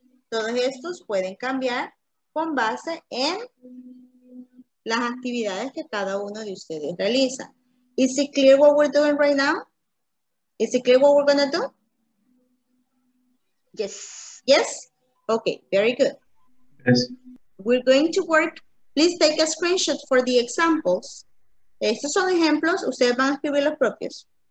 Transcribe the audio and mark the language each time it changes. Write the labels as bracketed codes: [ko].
[es] Todos estos pueden cambiar con base en las actividades que cada uno de ustedes realiza. [en] Is it clear what we're doing right now? Is it clear what we're gonna do? Yes. Yes? Okay, very good. Yes. We're going to work, please take a screenshot for the examples. [es] Estos son ejemplos, ustedes van a escribir los propios.